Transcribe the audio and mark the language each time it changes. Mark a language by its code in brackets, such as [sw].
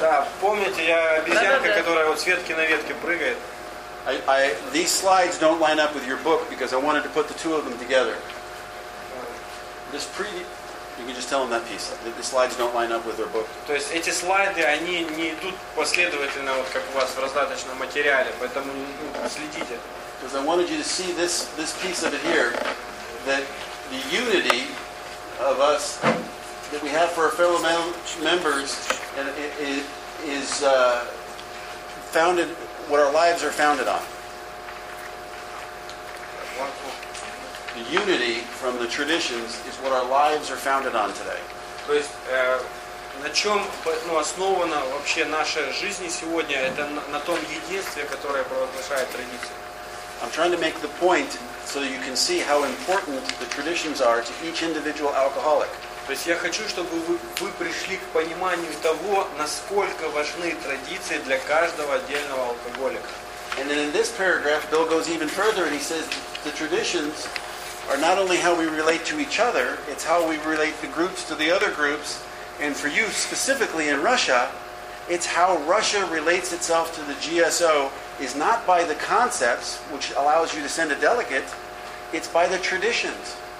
[ru] Да, помните, я обезьянка, которая вот с ветки на ветке прыгает. [en] These slides don't line up with your book because I wanted to put the two of them together. This pre You can just tell them that piece. The slides don't line up with their book. [ru] То есть эти слайды, они не идут последовательно, вот как у вас в раздаточном материале, поэтому следите. [en] Because I wanted you to see this piece of it here, that the unity of us that we have for our fellow members is founded, what our lives are founded on. The unity from the traditions is what our lives are founded on today. [ru] То есть на чем основана вообще наша жизнь сегодня? Это на том единстве, которое провозглашает традиция. [en] I'm trying to make the point so that you can see how important the traditions are to each individual alcoholic. [ru] То есть я хочу, чтобы вы пришли к пониманию того, насколько важны традиции для каждого отдельного алкоголика. [en] And then in this paragraph, Bill goes even further and he says the traditions are not only how we relate to each other, it's how we relate the groups to the other groups, and for you specifically in Russia, it's how Russia relates itself to the GSO is not by the concepts, which allows you to send a delegate, it's by the traditions.